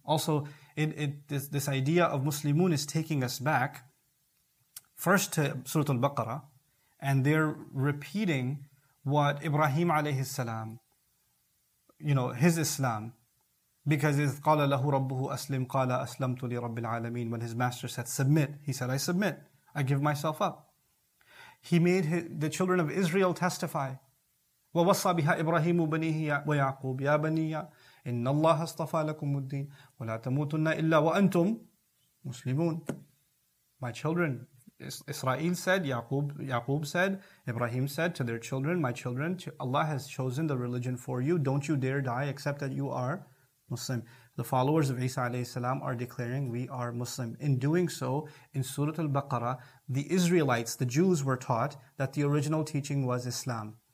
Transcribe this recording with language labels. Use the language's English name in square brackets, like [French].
[English] Also, this idea of muslimun is taking us back first to Surah Al-Baqarah, and they're repeating what Ibrahim alayhi salam, his Islam, because [Arabic] إِذْ قَالَ لَهُ رَبُّهُ أَسْلِمْ قَالَ أَسْلَمْتُ لِرَبِّ الْعَالَمِينَ. [English] When his master said, submit, he said, I submit, I give myself up. He made the children of Israel testify, [Arabic] وَوَصَّى بِهَا إِبْرَاهِيمُ بَنِيهِ وَيَعْقُوبُ يَا بَنِيَّ إِنَّ اللَّهَ اصْطَفَى لَكُمُ الدِّينَ وَلَا تَمُوتُنَّ إِلَّا وَأَنْتُمْ مُسْلِمُونَ. [English] My children, Israel said, Yaqub said, Ibrahim said to their children, my children, Allah has chosen the religion for you. Don't you dare die except that you are Muslim. The followers of Isa alayhi salam are declaring we are Muslim. In doing so, in Surah Al-Baqarah, the Israelites, the Jews, were taught that the original teaching was Islam.